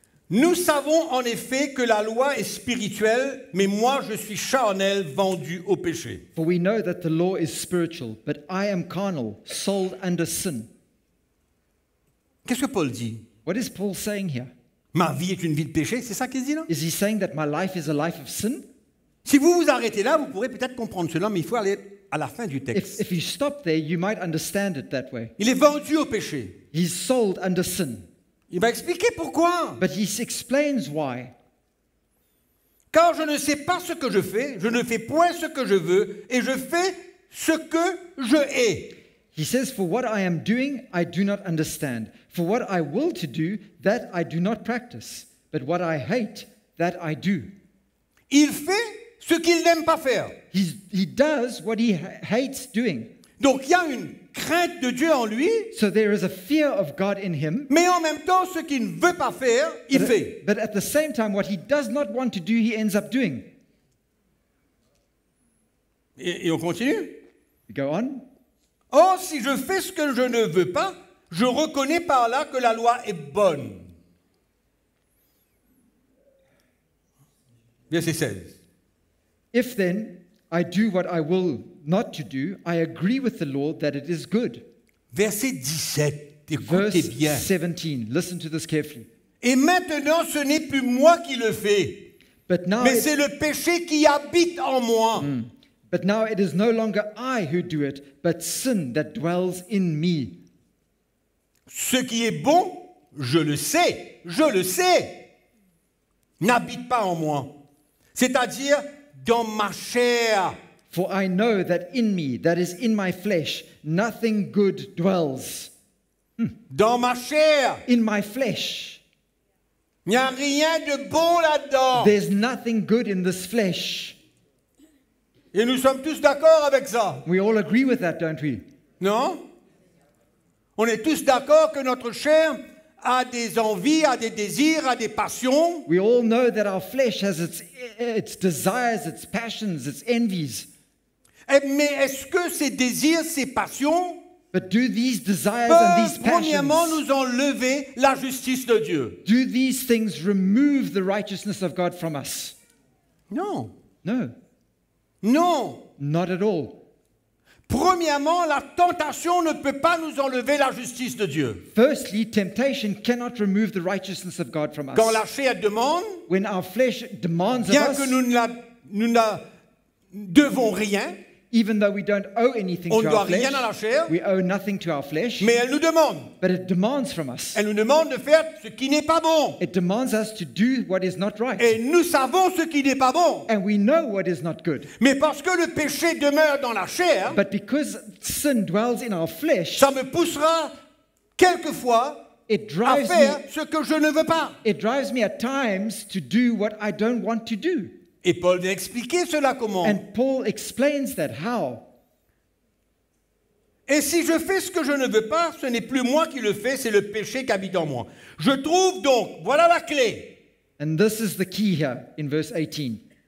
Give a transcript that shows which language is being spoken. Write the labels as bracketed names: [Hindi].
[French] Nous savons en effet que la loi est spirituelle, mais moi je suis charnel, vendu au péché. [English] For we know that the law is spiritual, but I am carnal, sold under sin. [French] Qu'est-ce que Paul dit? [English] What is Paul saying here? [French] Ma vie est une vie de péché, c'est ça qu'il dit là? [English] Is he saying that my life is a life of sin? [French] Si vous vous arrêtez là, vous pourrez peut-être comprendre cela, mais il faut aller à la fin du texte. [English] If you stop there, you might understand it that way. [French] Il est vendu au péché. [English] He's sold under sin. [French] Il va expliquer pourquoi. [English] But he explains why. [French] Car je ne sais pas ce que je fais, je ne fais point ce que je veux, et je fais ce que je hais. [English] He says, for what I am doing, I do not understand. For what I will to do, that I do not practice. But what I hate, that I do. [French] Il fait ce qu'il n'aime pas faire. [English] He does what he hates doing. [French] Donc il y a une crainte de Dieu en lui. [English] So there is a fear of God in him. [French] Mais en même temps, ce qu'il ne veut pas faire, il fait. [English] But at the same time, what he does not want to do, he ends up doing. [French] Et on continue? [English] We go on. [French] Or, si je fais ce que je ne veux pas, je reconnais par là que la loi est bonne. Verset 16. [English] If then I do what I will not to do, I agree with the law that it is good. [French] Verset 17. Écoutez [English] Verse [French] bien. [English] 17. Listen to this carefully. [French] Et maintenant, ce n'est plus moi qui le fais, mais c'est le péché qui habite en moi. Mm. [English] But now it is no longer I who do it, but sin that dwells in me. [French] Ce qui est bon, je le sais, n'habite pas en moi. C'est-à-dire dans ma chair. [English] For I know that in me, that is in my flesh, nothing good dwells. [French] Dans ma chair. [English] In my flesh. [French] Il n'y a rien de bon là-dedans. [English] There's nothing good in this flesh. [French] Et nous sommes tous d'accord avec ça. [English] We all agree with that, don't we? [French] Non? On est tous d'accord que notre chair a des envies, a des désirs, a des passions. [English] We all know that our flesh has its desires, its passions, its envies. [French] Mais est-ce que ces désirs, ces passions [English] But do these desires and these passions, [French] premièrement nous enlever la justice de Dieu? [English] Do these things remove the righteousness of God from us? [French] Non. [English] No. [French] Non. [English] Not at all. [French] Premièrement, la tentation ne peut pas nous enlever la justice de Dieu. [English] Firstly, temptation cannot remove the righteousness of God from us. [French] Quand la chair demande, [English] when our flesh demands [French] bien [English] of us, [French] que nous ne devons rien, [English] even though we don't owe anything [French] on [English] to [French] ne [English] our [French] doit [English] flesh, [French] rien à la chair, [English] we owe nothing to our flesh, [French] mais elle nous demande. [English] But it demands from us. [French] Elle nous demande de faire ce qui n'est pas bon. [English] It demands us to do what is not right. [French] Et nous savons ce qui n'est pas bon. [English] And we know what is not good. [French] Mais parce que le péché demeure dans la chair, [English] but because sin dwells in our flesh, [French] ça me poussera quelquefois [English] it drives [French] à faire [English] me, [French] ce que je ne veux pas. [English] It drives me at times to do what I don't want to do. [French] Et Paul vient expliquer cela comment. [English] And Paul explains that how. [French] Et si je fais ce que je ne veux pas, ce n'est plus moi qui le fais, c'est le péché qui habite en moi. Je trouve donc, voilà la clé. [English] And this is the key here in verse 18.